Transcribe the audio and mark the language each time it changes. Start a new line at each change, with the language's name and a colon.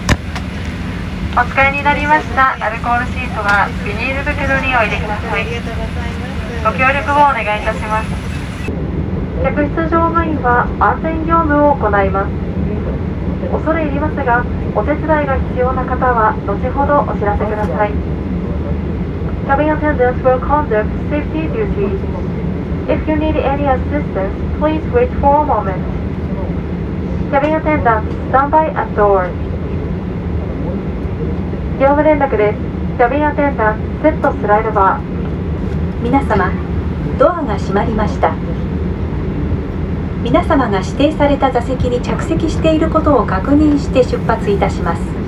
Japanese: お使いになりましたアルコールシートはビニール袋にお入れください。ご協力をお願いいたします。客室乗務員は安全業務を行います。恐れ入りますがお手伝いが必要な方は後ほどお知らせください。
English: Cabin attendants will conduct safety duties. If you need any assistance, please wait for a moment. Cabin attendants, stand by at door.
Japanese: 業務連絡です。
English: Cabin attendants, セットスライドバー。
Japanese: 皆様、ドアが閉まりました。皆様が指定された座席に着席していることを確認して出発いたします。